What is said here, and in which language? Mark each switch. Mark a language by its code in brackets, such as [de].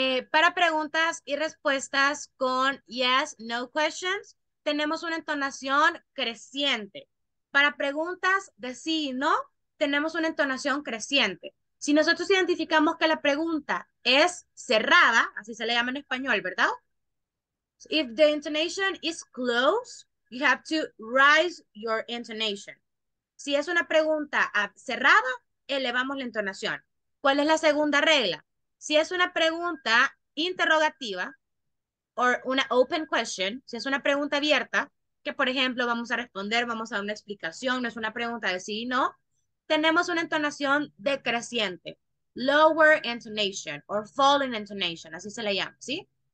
[es] Para preguntas y respuestas con [en] yes, no questions, [es] tenemos una entonación creciente. Para preguntas de sí y no, tenemos una entonación creciente. Si nosotros identificamos que la pregunta es cerrada, así se le llama en español, ¿verdad? [en] If the intonation is closed, you have to raise your intonation. [es] Si es una pregunta cerrada, elevamos la entonación. ¿Cuál es la segunda regla? Si es una pregunta interrogativa o una open question, si es una pregunta abierta, que por ejemplo vamos a responder, vamos a dar una explicación, no es una pregunta de sí y no, tenemos una entonación decreciente, [en] lower intonation [es] o [en] falling intonation, [es] así se le llama, ¿sí?